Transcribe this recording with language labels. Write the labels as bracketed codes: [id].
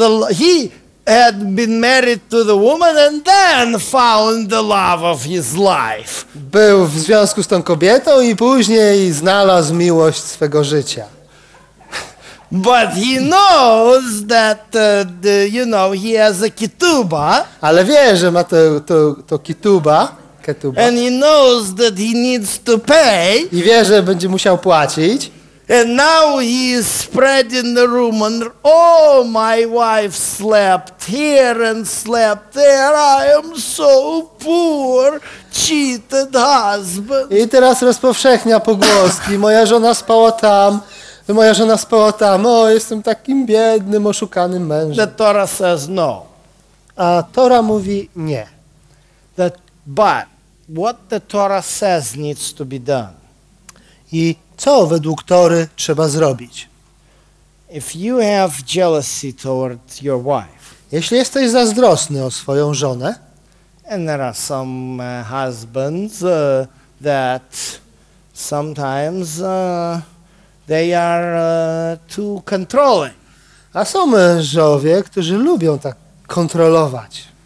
[en] He had been married to the woman and then found the love of his life. [pl] Był w związku z tą kobietą i później znalazł miłość swego życia. [en] But he knows that he has a ketubah. [pl] Ale wie, że ma to ketubah. Ketubah. [en] And he knows that he needs to pay. [pl] I wie, że będzie musiał płacić. [en] And now he is spread in the room and my wife slept here and slept there. I am so poor, cheated husband. [pl] I teraz rozpowszechnia pogłoski. Moja żona spała tam. Moja żona spała tam. O, jestem takim biednym, oszukanym mężem. [en] The Torah says no. [pl] A Tora mówi nie. [en] But what the Torah says needs to be done. [pl] I co według Tory trzeba zrobić? [en] If you have jealousy toward your wife. [pl] Jeśli jesteś zazdrosny o swoją żonę. [en] And there are some husbands that sometimes they are too controlling. [pl] A są mężowie, którzy lubią tak kontrolować.